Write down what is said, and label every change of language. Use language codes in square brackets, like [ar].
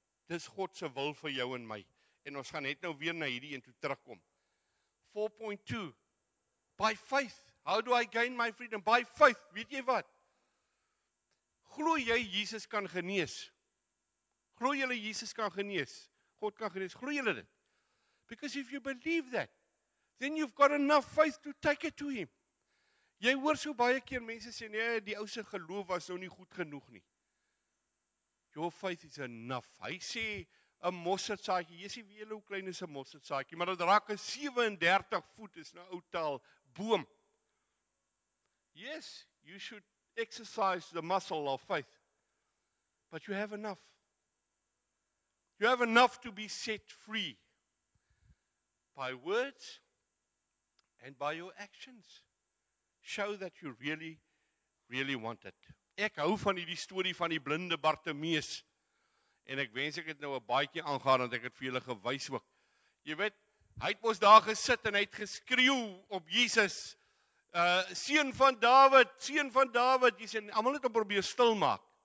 [af] Dis God se wil vir jou en my. En ons gaan net nou weer na hierdie een toe terugkom. [en] 4.2. By faith. How do I gain my freedom? By faith. [af] Weet jy wat? Glo jy Jesus kan genees? Glo jy Jesus kan genees? God kan genees. Glo julle dit? [en] Because if you believe that, then you've got enough faith to take it to him. [af] Jy hoor so baie keer mense sê, nee, die ou se geloof was nou nie goed genoeg nie. [en] Your faith is enough. [af] Hy sê, 'n mosterdsaadjie, jy sien wie hulle hoe klein is 'n mosterdsaadjie, maar dit raak 'n 37 voet, is nou ou taal, boom. [en] Yes, you should exercise the muscle of faith. But you have enough. You have enough to be set free by words and by your actions. Show that you really, really want it. [af] Ek hou van hierdie storie van die blinde Bartimeus. En ek wens ek het nou 'n baadjie aangehad, want ek het vir julle gewys ook. Jy weet, hy het mos daar gesit en hy het geskreeu op Jesus. Seun van Dawid, seun van Dawid. Jy sien, almal het hom probeer stil maak.